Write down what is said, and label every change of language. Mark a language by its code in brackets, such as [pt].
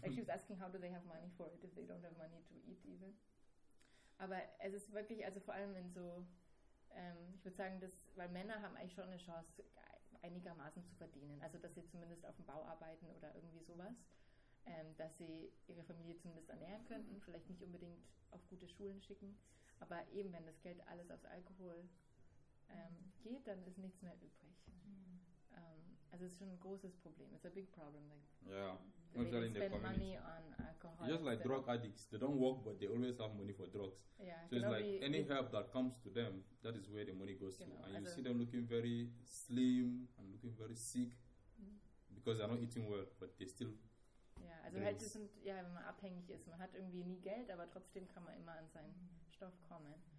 [en] Like she was asking, how do they have money for it, if they don't have money to eat even. [de] Aber es ist wirklich, also vor allem in so ich würde sagen, dass, weil Männer haben eigentlich schon eine Chance, einigermaßen zu verdienen. Also, dass sie zumindest auf dem Bau arbeiten oder irgendwie sowas. Dass sie ihre Familie zumindest ernähren könnten, vielleicht nicht unbedingt auf gute Schulen schicken. Aber eben, wenn das Geld alles aufs Alkohol geht, dann ist nichts mehr übrig. Mhm. Also, es ist schon ein großes Problem. [en] It's a big problem. Like, yeah. Not they spend the money on alcohol. Just like drug addicts. They don't work, but they always have money for drugs. Yeah, so it's like any help that comes to them, that is where the money goes you to. Know, and you see them looking very slim and looking very sick because they're not eating well, but they still [de] yeah, also halt sind, ja, wenn man abhängig ist. Man hat irgendwie nie Geld, aber trotzdem kann man immer an seinen Stoff kommen.